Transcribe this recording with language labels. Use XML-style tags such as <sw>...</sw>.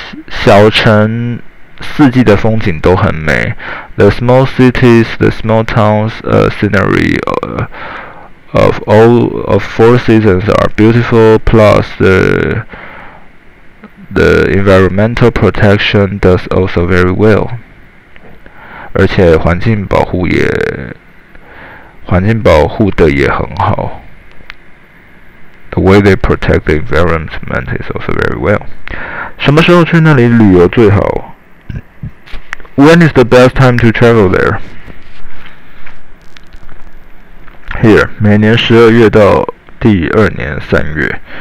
<zh>小城四季的风景都很美。</zh> <en>The small cities, the small towns, scenery of all of four seasons are beautiful, plus the environmental protection does also very well.</en> <zh>而且环境保护的也很好。</zh> <en>The way they protect the environment is also very well.</en> <zh>什么时候去那里旅游最好</zh> <en>？When is the best time to travel there?</en> <zh>Here, 每年十二月到第二年三月。</zh>